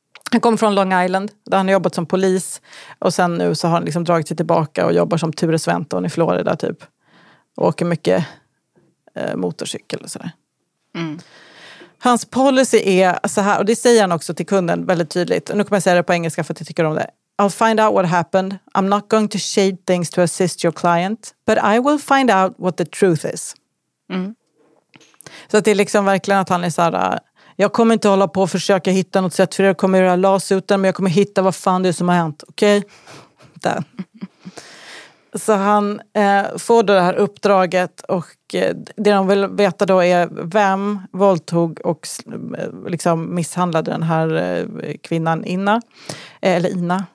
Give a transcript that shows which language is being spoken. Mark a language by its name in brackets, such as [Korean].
[Swedish] Han kommer från Long Island där han har jobbat som polis, och sen nu så har han liksom dragit sig tillbaka och jobbar som Ture Sventon i Florida typ. Och åker mycket motorcykel och sådär. Mm. Hans policy är så här, och det säger han också till kunden väldigt tydligt. Och nu kommer jag säga det på engelska för att jag tycker om det. [English] "I'll find out what happened. I'm not going to shade things to assist your client. But I will find out what the truth is." [Swedish] Mm. Så det är liksom verkligen att han är så här, jag kommer inte hålla på och försöka hitta något sätt för jag kommer göra lasuten, men jag kommer hitta vad fan det är som har hänt. Okej? Okay? Där. Så han får då det här uppdraget och det de vill veta då är vem våldtog och liksom misshandlade den här kvinnan Ina. Eller Ina.